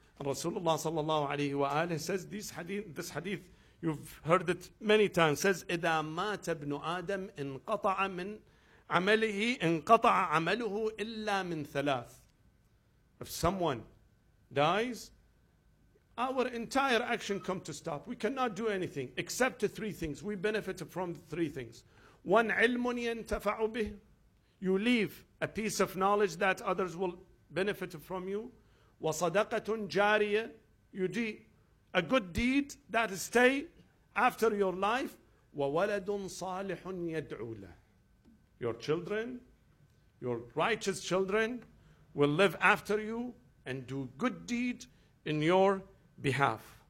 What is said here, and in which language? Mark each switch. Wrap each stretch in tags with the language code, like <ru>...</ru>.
<en>And Rasulullah sallallahu alayhi wa alayhi says, this hadith, you've heard it many times, says,</en> <ar>إِذَا مَاتَ ابْنُ آدَمْ إِنْقَطَعَ مِنْ عَمَلِهِ إِنْقَطَعَ عَمَلُهُ إِلَّا مِنْ ثَلَاثِ.</ar> <en>If someone dies, our entire action comes to stop. We cannot do anything except the three things. We benefit from the three things.</en> <ar>One, عِلْمٌ يَنْتَفَعُ بِهِ.</ar> <en>You leave a piece of knowledge that others will benefit from you.</en> <ar>وَصَدَقَةٌ جَارِيَةٌ.</ar> <en>You do a good deed that stay after your life.</en> <ar>وَوَلَدٌ صَالِحٌ يَدْعُو لَهُ.</ar> <en>Your children, your righteous children, will live after you and do good deed in your behalf.</en>